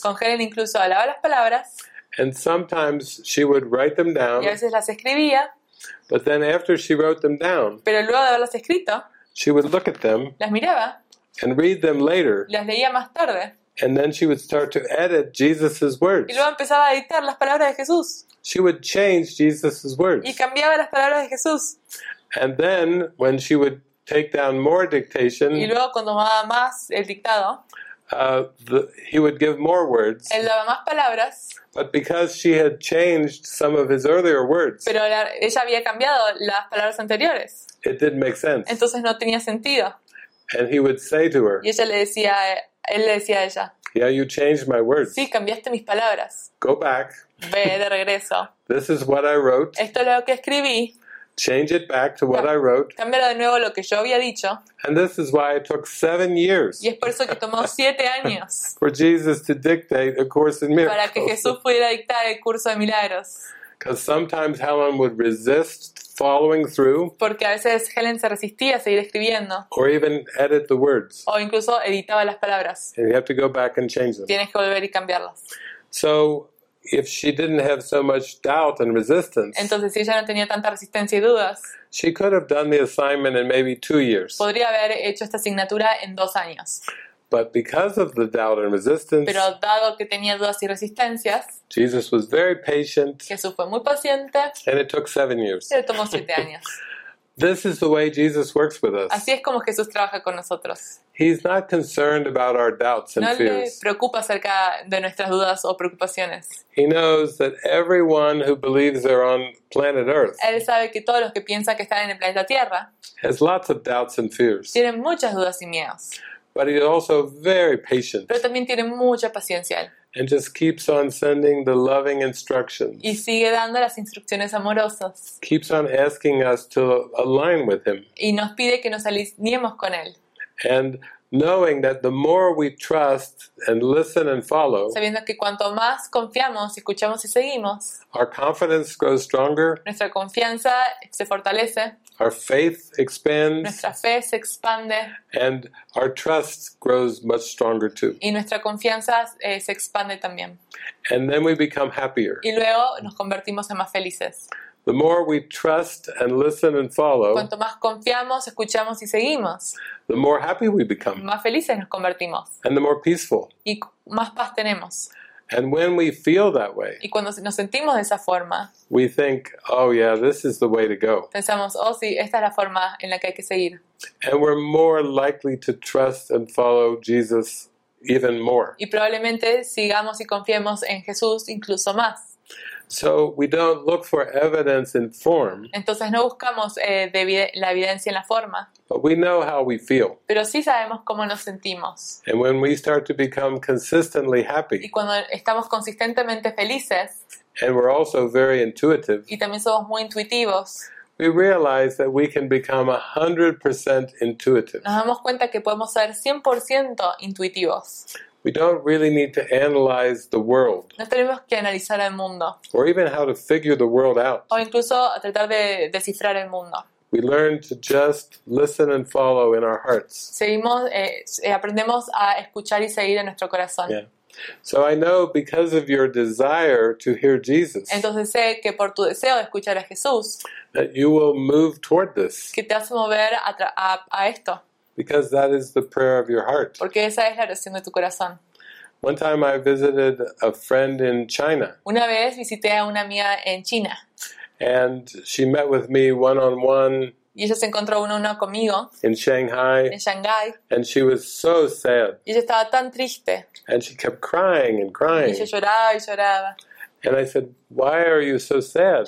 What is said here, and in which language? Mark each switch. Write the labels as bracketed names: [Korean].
[Spanish] Con Helen incluso hablaba las palabras. [English] And sometimes she would write them down. [Spanish] Y a veces las escribía. [English] But then after she wrote them down. [Spanish] Pero luego de haberlas escrito. [English] She would look at them. [Spanish] Las miraba. [English] And read them later. [Spanish] Las leía más tarde. [English] And then she would start to edit Jesus's words. [Spanish] Y luego empezaba a editar las palabras de Jesús. [English] She would change Jesus's words. [Spanish] Y cambiaba las palabras de Jesús. [English] And then when she would take down more dictation. [Spanish] Y luego cuando tomaba más el dictado. [English] He would give more words. [Spanish] Él daba más palabras. [English] But because she had changed some of his earlier words. [Spanish] Pero ella había cambiado las palabras anteriores. [English] It didn't make sense. [Spanish] Entonces no tenía sentido. [English] And he would say to her. [Spanish] Y ella le decía, él le decía a ella. [English] Yeah, you changed my words. [Spanish] Sí, cambiaste mis palabras. [English] Go back. [Spanish] Ve de regreso. [English] This is what I wrote. [Spanish] Esto es lo que escribí. [English] Change it back to what I wrote. [Spanish] Cambiar de nuevo lo que yo había dicho. [English] And this is why it took 7 years. [Spanish] Y es por eso que tomó 7 años. [English] For Jesus to dictate a course in miracles. [Spanish] Para que Jesús pudiera dictar el curso de milagros. [English] Because sometimes Helen would resist following through. [Spanish] Porque a veces Helen se resistía a seguir escribiendo. [English] Or even edit the words. [Spanish] O incluso editaba las palabras. [English] And you have to go back and change them. [Spanish] Tienes que volver y cambiarlas. [English] So. If she didn't have so much doubt and resistance, [Spanish] entonces si ella no tenía tanta resistencia y dudas, [English] she could have done the assignment in maybe 2 years. [Spanish] Podría haber hecho esta asignatura en 2 años. [English] But because of the doubt and resistance, [Spanish] pero dado que tenía dudas y resistencias, [English] Jesus was very patient. [Spanish] Jesús fue muy paciente. [English] And it took 7 years. [Spanish] Y le tomó 7 años. [English] This is the way Jesus works with us. [Spanish] Así es como Jesús trabaja con nosotros. [English] He's not concerned about our doubts and fears. [Spanish] No le preocupa acerca de nuestras dudas o preocupaciones. [English] He knows that everyone who believes they're on planet Earth. [Spanish] Él sabe que todos los que piensan que están en el planeta Tierra. [English] Has lots of doubts and fears. [Spanish] Tienen muchas dudas y miedos. [English] But he's also very patient. [Spanish] Pero también tiene mucha paciencia. [English] And just keeps on sending the loving instructions. [Spanish] Y sigue dando las instrucciones amorosas. [English] Keeps on asking us to align with him. [Spanish] Y nos pide que nos alineemos con él. [English] And knowing that the more we trust and listen and follow, [Spanish] sabiendo que cuanto más confiamos, escuchamos y seguimos, [English] our confidence grows stronger. [Spanish] Nuestra confianza se fortalece. [English] Our faith expands. [Spanish] Nuestra fe se expande. [English] And our trust grows much stronger too. [Spanish] Y nuestra confianza se expande también. [English] And then we become happier. [Spanish] Y luego nos convertimos en más felices. [English] The more we trust and listen and follow, [Spanish] cuanto más confiamos, escuchamos y seguimos, [English] the more happy we become. [Spanish] Más felices nos convertimos. [English] And the more peaceful. [Spanish] Y más paz tenemos. [English] And when we feel that way, [Spanish] y cuando nos sentimos de esa forma, [English] we think, oh yeah, this is the way to go. [Spanish] Pensamos, oh sí, esta es la forma en la que hay que seguir. [English] And we're more likely to trust and follow Jesus even more. [Spanish] Y probablemente sigamos y confiemos en Jesús incluso más. [English] So we don't look for evidence in form. [Spanish] Entonces no buscamos la evidencia en la forma. [English] But we know how we feel. [Spanish] Pero sí sabemos cómo nos sentimos. [English] And when we start to become consistently happy. [Spanish] Y cuando estamos consistentemente felices. [English] And we're also very intuitive. [Spanish] Y también somos muy intuitivos. [English] We realize that we can become 100% intuitive. [Spanish] Nos damos cuenta que podemos ser 100% intuitivos. [English] We don't really need to analyze the world. [Spanish] No tenemos que analizar el mundo. [English] Or even how to figure the world out. [Spanish] O incluso tratar de descifrar el mundo. [English] We learn to just listen and follow in our hearts. [Spanish] Seguimos, aprendemos a escuchar y seguir en nuestro corazón. [English] Yeah. So I know because of your desire to hear Jesus. [Spanish] Entonces sé que por tu deseo de escuchar a Jesús. [English] That you will move toward this. [Spanish] Que te vas a mover a esto. [English] Because that is the prayer of your heart. [Spanish] Porque esa es la oración de tu corazón. [English] One time I visited a friend in China. [Spanish] Una vez visité a una amiga en China. [English] And she met with me one-on-one. [Spanish] Y ella se encontró uno-uno conmigo. [English] In Shanghai. [Spanish] En Shanghai. [English] And she was so sad. [Spanish] Y ella estaba tan triste. [English] And she kept crying and crying. [Spanish] Y ella lloraba y lloraba. [English] And I said, "Why are you so sad?"